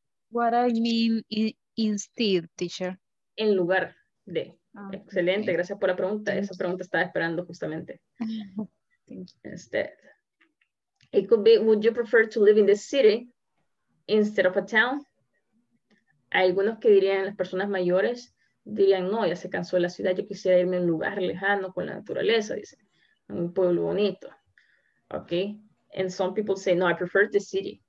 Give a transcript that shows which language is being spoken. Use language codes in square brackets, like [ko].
[en] What I mean instead, teacher. [es] En lugar de. Oh, excelente, okay. Gracias por la pregunta. Esa pregunta estaba esperando justamente. Instead. [en] It could be, would you prefer to live in the city instead of a town? [es] Algunos que dirían, las personas mayores, dirían, no, ya se cansó la ciudad, yo quisiera irme a un lugar lejano con la naturaleza, dice, un pueblo bonito. [en] Okay. And some people say, no, I prefer the city.